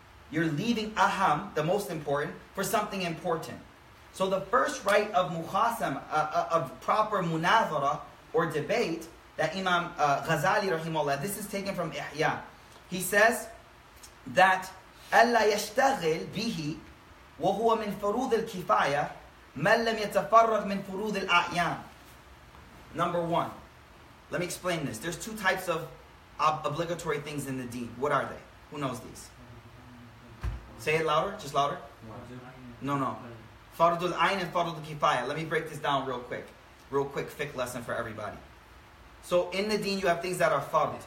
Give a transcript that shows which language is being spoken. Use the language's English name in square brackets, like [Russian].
[English] You're leaving aham, the most important, for something important. So the first right of mukhasam, of proper munazara, or debate, that Imam Ghazali, rahimahullah, this is taken from Ihya. He says that [Arabic] ألا يشتغل به وهو من فروض الكفاية ما لم يتفرغ من فروض الأعيان. [English] Number one, let me explain this. There's two types of obligatory things in the deen. What are they? Who knows these? Say it louder, just louder. No. Fard al-Ayn and Fard al-Kifaya. Let me break this down real quick. Real quick, fiqh lesson for everybody. So in the deen, you have things that are fard.